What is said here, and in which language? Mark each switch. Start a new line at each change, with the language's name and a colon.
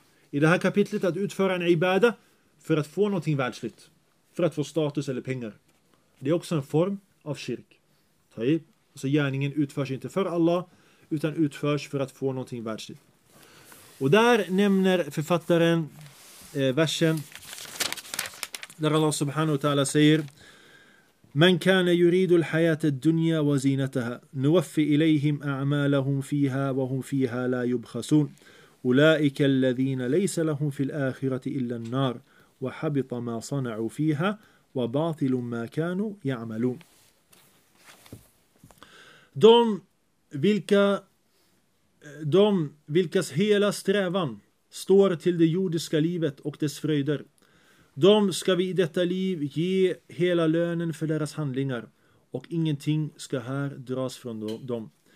Swedish: I det här kapitlet, att utföra en ibada för att få någonting världsligt, för att få status eller pengar. Det är också en form av kirk. Så gärningen utförs inte för Allah, utan utförs för att få någonting världsligt. Och där nämner författaren versen där Allah subhanahu wa ta'ala säger
Arabic: من كان يريد الحياة الدنيا وزينتها نوفي إليهم أعمالهم فيها وهم فيها لا يبخسون أولئك الذين ليس لهم في الآخرة إلا النار وحبط ما صنعوا فيها وباطل ما كانوا يعملون.
Swedish: De vilkas hela strävan står till det jordiska livet och dess fröjder. De ska vi i detta liv ge hela lönen för deras handlingar och ingenting ska här dras från dem.